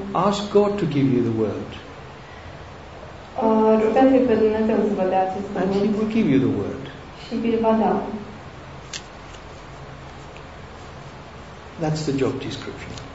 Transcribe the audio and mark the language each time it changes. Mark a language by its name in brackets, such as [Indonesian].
[English] Ask God to give you the word. [Romanian] Rugați-L pe Dumnezeu să vă dea acest cuvânt. [English] And He will give you the word. [Romanian] Și vi-l va da. [English] That's the job description.